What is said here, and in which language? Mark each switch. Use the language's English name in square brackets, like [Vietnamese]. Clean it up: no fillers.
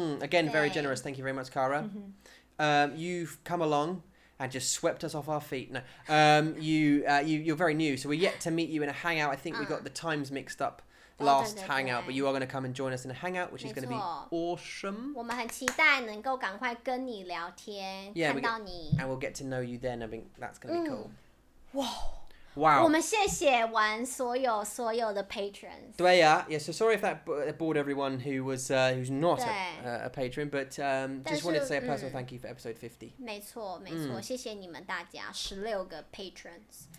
[English] Again, very generous, thank you very much, Kara. You've come along. And just swept us off our feet. No, you're very new, so we're yet to meet you in a hangout. I think we got the times mixed up last hangout, but you are going to come and join us in a hangout, which is going to be awesome. [Chinese] 我们很期待能够赶快跟你聊天，看到你。 [English] And we'll get to know you then. I think that's going to be cool. Wow. Wow. [Chinese] 我们谢谢完所有的 patrons. 对呀， [English] yeah. So sorry if that bored everyone who was who's not a patron, but just wanted to say a personal thank you for episode 50. [Chinese] 没错，没错，谢谢你们大家16个 patrons.